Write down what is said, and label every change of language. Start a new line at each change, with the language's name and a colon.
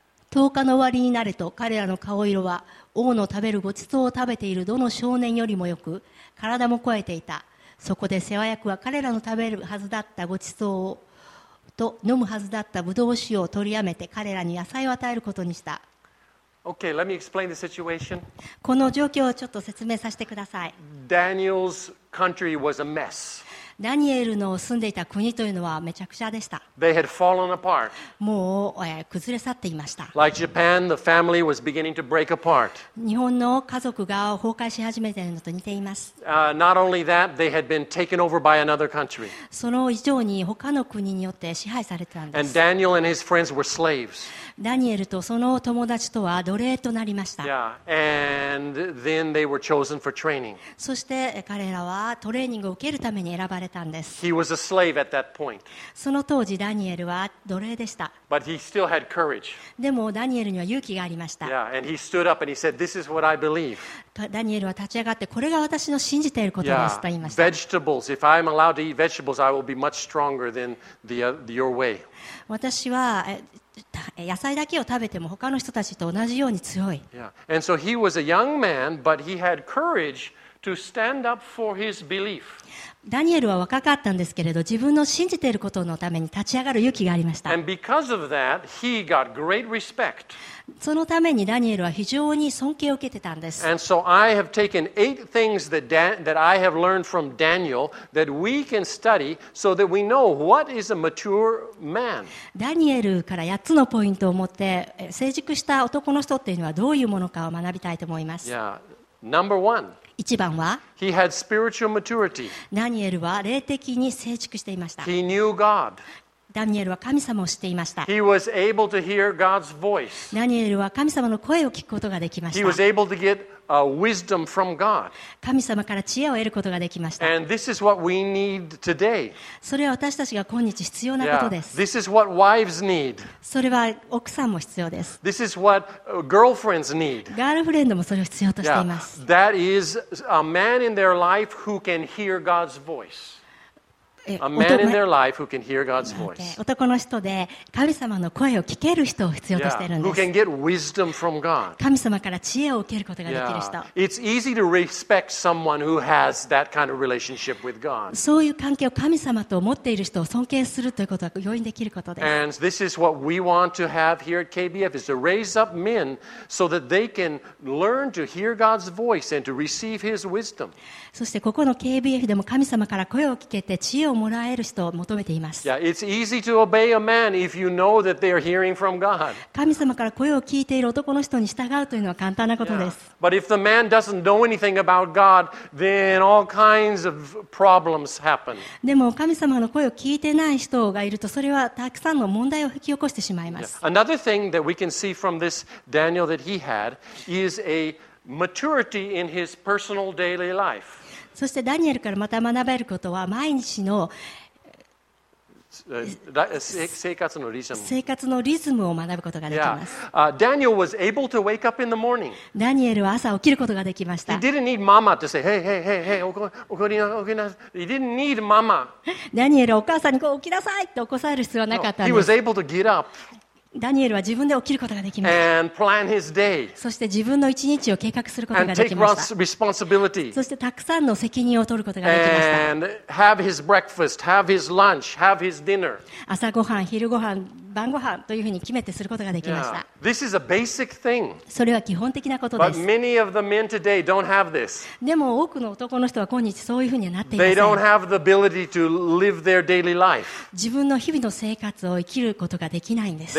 Japanese: 10日の終わりになると彼らの顔色は王の食べるごちそうを食べているどの少年よりもよく体も肥えていた。そこで世話役は彼らの食べるはずだったごちそうをと飲むはずだったブドウ酒を取りやめて彼らに野菜を与えることにした。
English: Okay, let me explain the situation.
Japanese: この状況をちょっと説明させてください。
English: Daniel's country was a mess.
Japanese: ダニエルの住んでいた国というのはめちゃくちゃでした。
English: They had fallen apart.
Japanese: もう崩れ去っていました。
English: Like Japan, the family was beginning to break apart.
Japanese: 日本の家族が崩壊し始めているのと似ています。
English: Not only that, they had been taken over by another country.
Japanese: その以上に他の国によって支配されていたんです。
English: And Daniel and his friends were slaves.
Japanese: ダニエルとその友達とは奴隷となりました。
English: Yeah, and then they were chosen for training.
Japanese: そして彼らはトレーニングを受けるために選ばれたんです。
English: He was a slave at that point.
Japanese: その当時ダニエルは奴隷でした。
English: But he still had courage.
Japanese: でもダニエルには勇気がありました。
English: Yeah, and he stood up and he said, "This is what I believe."
Japanese: ダニエルは立ち上がってこれが私の信じていることですと言いました。
English: Yeah, vegetables. If I'm allowed to eat vegetables, I will be much stronger than your way.
Japanese: 私は野菜だけを食べても他の人たちと同じように強い。
English: Yeah, and so he was a young man, but he had courage. to stand up for his belief.
Japanese: ダニエルは若かったんですけれど、自分の信じていることのために立ち上がる勇気がありました。
English: And because of that, he got great respect.
Japanese: そのためにダニエルは非常に尊敬を受けてたんです。
English: And so I have taken eight things that I have learned from Daniel that we can study so that we know what is a mature man.
Japanese: ダニエルから8つのポイントを持って、成熟した男の人っていうのはどういうものかを学びたいと思います。
English: Yeah. Number one.
Japanese: 一番は、
English: He had spiritual maturity.
Japanese: ダニエルは霊的に成熟していました。
English: He knew God.
Japanese: ダニエルは神様を知っていました。
English: He was able to hear God's voice.
Japanese: ダニエルは神様の声を聞くことができました。
English: He was able to get wisdom from God.
Japanese: 神様から知恵を得ることができました。
English: And this is what we need today.
Japanese: それは私たちが今日必要なことです。
English: Yeah. This is what wives need.
Japanese: それは奥さんも必要です。
English: This is what girlfriends need.
Japanese: ガールフレンドもそれを必要としています。
English: Yeah. That is a man in their life who can hear God's voice. A man in their life who can hear God's voice.
Japanese: 男の人で神様の声を聞ける人を必要としているんです。
English: Yeah, who can get wisdom from God.
Japanese: 神様から知恵を受けることができる人。
English: Yeah, it's easy to respect someone who has that kind of relationship with God.
Japanese: そういう関係を神様と持っている人を尊敬するということは容易にできることです。
English: And this is what we want to have here at KBF is to raise up men so that they can learn to hear God's voice and to receive His wisdom.
Japanese: そしてここの KBF でも神様から声を聞けて知恵をもらえる人を求めています。
English: Yeah, it's easy to obey a man if you know that they are hearing from God.
Japanese: 神様から声を聞いている男の人に従うというのは簡単なことです。
English: Yeah, but if the man doesn't know anything about God, then all kinds of problems happen.
Japanese: でも神様の声を聞いてない人がいるとそれはたくさんの問題を引き起こしてしまいます。
English: Yeah. Another thing that we can see from this Daniel that he had is a maturity in his personal daily life.
Japanese: そしてダニエルからまた学べることは毎日の生活のリズムを学ぶことができます。
English: Yeah. Daniel was able to wake up in the morning.
Japanese: ダニエルは朝起きることができました。
English: He didn't need mama to say, hey, hey, hey, hey,
Japanese: 起きなさい
English: He didn't need mama.
Japanese: ダニエルはお母さんにこう起きなさいって起こされる必要はなかったんです。
English: No, he was able to get up.
Japanese: ダニエルは自分で起きることができました。
English: And plan his day.
Japanese: そして自分の一日を計画することができました。
English: And take responsibility.
Japanese: そしてたくさんの責任を取ることができました。
English: And have his breakfast, have his lunch, have his dinner.
Japanese: 朝ごはん、昼ごはん、晩ごはんというふうに決めてすることができました。
English: Yeah. This is a basic thing.
Japanese: それは基本的なことです。
English: But many of the men today don't have this.
Japanese: でも多くの男の人は今日そういうふうにはなっていません。
English: They don't have the ability to live their daily life.
Japanese: 自分の日々の生活を生きることができないんです。